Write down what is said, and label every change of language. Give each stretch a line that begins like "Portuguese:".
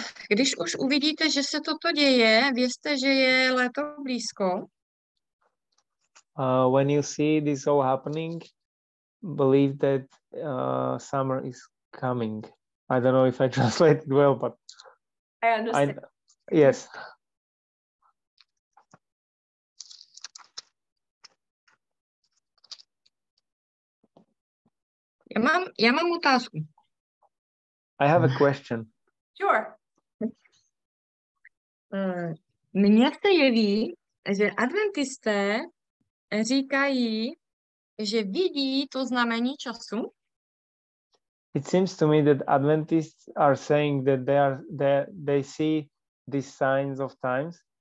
Czech: Když už uvidíte, že se toto děje, vězte, že je léto blízko.
English: When you see this all happening, believe that summer is coming. I don't know if I translated well, but I understand. Yes.
Czech: Já mám otázku.
English: I have a question. Sure.
Czech: Mně se jeví, že adventisté říkají, že vidí to znamení času.
English: It seems to me that Adventists are saying that they see these signs of times.